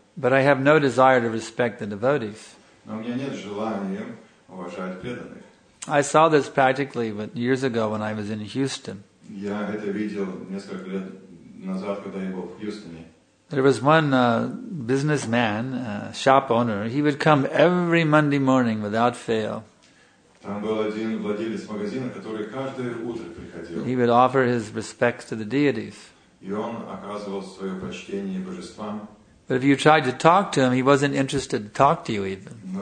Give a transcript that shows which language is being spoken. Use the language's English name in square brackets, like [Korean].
[English] But I have no desire to respect the devotees. [Russian] Но у меня нет желания уважать преданных. [English] I saw this practically years ago when I was in Houston. [Russian] Я это видел несколько лет назад, когда я был в Хьюстоне. [English] There was one businessman, shop owner. He would come every Monday morning without fail. [Russian] Там был один владелец магазина, который каждое утро приходил. [English] He would offer his respects to the deities. [Russian] И он оказывал свое почтение божествам. [English] But if you tried to talk to him, he wasn't interested to talk to you even.